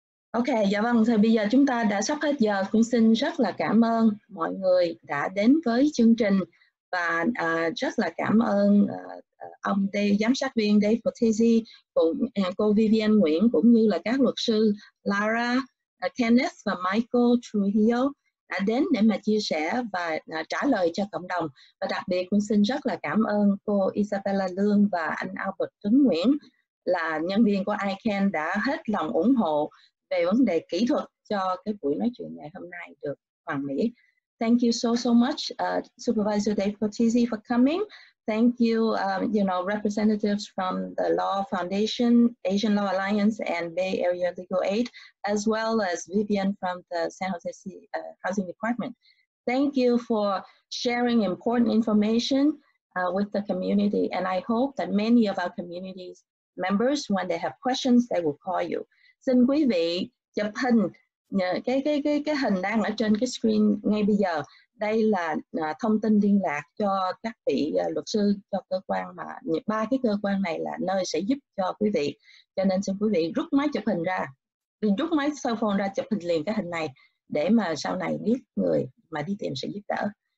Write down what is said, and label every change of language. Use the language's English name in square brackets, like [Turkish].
[Vietnamese] Ok, dạ vâng, thì bây giờ chúng ta đã sắp hết giờ, cũng xin rất là cảm ơn mọi người đã đến với chương trình và rất là cảm ơn ông Dave, giám sát viên Dave Fortizzi, cùng cô Vivian Nguyễn cũng như là các luật sư Lara, Kenneth và Michael Trujillo đã đến để mà chia sẻ và trả lời cho cộng đồng. Và đặc biệt cũng xin rất là cảm ơn cô Isabella Lương và anh Albert Tuấn Nguyễn là nhân viên của ICANN đã hết lòng ủng hộ về vấn đề kỹ thuật cho cái buổi nói chuyện ngày hôm nay được hoàn mỹ. [English] Thank you so much, Supervisor Dave Fortizzi, for coming. Thank you, representatives from the Law Foundation, Asian Law Alliance, and Bay Area Legal Aid, as well as Vivian from the San Jose City Housing Department. Thank you for sharing important information with the community, and I hope that many of our community members, when they have questions, they will call you. [Vietnamese] Xin quý vị chụp hình cái hình đang ở trên cái screen ngay bây giờ. Đây là thông tin liên lạc cho các vị luật sư, cho cơ quan mà ba cái cơ quan này là nơi sẽ giúp cho quý vị. Cho nên xin quý vị rút máy chụp hình ra, rút máy cell phone ra chụp hình liền cái hình này để mà sau này biết người mà đi tìm sẽ giúp đỡ.